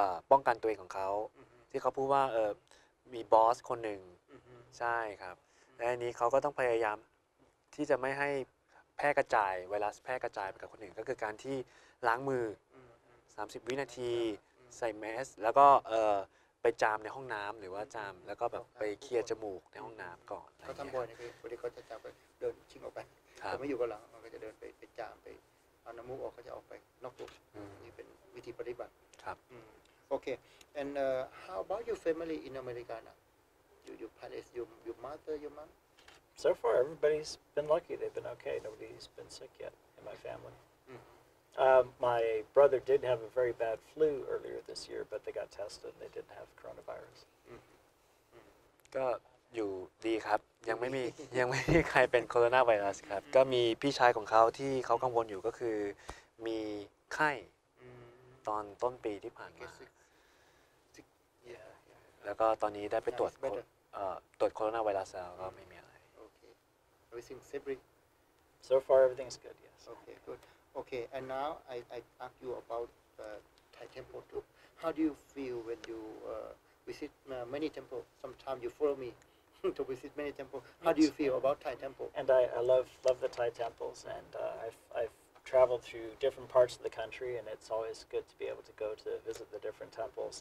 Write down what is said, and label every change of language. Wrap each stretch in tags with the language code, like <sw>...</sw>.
<th>ป้องกันตัวเองของเขาที่เขาพูดว่ามีบอสคนหนึ่งใช่ครับและอันนี้เขาก็ต้องพยายามที่จะไม่ให้แพร่กระจายไวรัสแพร่กระจายไปกับคนอื่นก็คือการที่ล้างมือ30วินาทีใส่แมสแล้วก็ไปจามในห้องน้ำหรือว่าจามแล้วก็แบบไปเคลียร์จมูกในห้องน้ำก่อน เขาทำบ่อยนะคือบางทีเขาจะจามไปเดินชิงออกไปถ้าไม่อยู่กับเรามันก็จะเดินไปจามไปเอาน้ำมูกออกก็จะออกไปนอกตัวนี่เป็นวิธีปฏิบัติ ครับ</th> <en>โอเค and how about your family in America now your parents your mother your mom so far everybody's been lucky they've been okay nobody's been sick yet in my family my brother did have a very bad flu earlier this year, but they got tested and they didn't have coronavirus.</en> <th>ก็อยู่ดีครับยังไม่มีใครเป็นโคโรนาไวรัสครับก็มีพี่ชายของเขาที่เขากังวลอยู่ก็คือมีไข้ตอนต้นปีที่ผ่านมาแล้วก็ตอนนี้ได้ไปตรวจโคโรนาไวรัสแล้วก็ไม่มีอะไร</th> <en>Everything safely? So far everything is good, yes. Okay, good. Okay, and now I ask you about Thai temple too. How do you feel when you visit many temples? Sometimes you follow me to visit many temples. How do you feel about Thai temple? And I love the Thai temples, and I've traveled through different parts of the country, and it's always good to be able to go to visit the different temples.</en>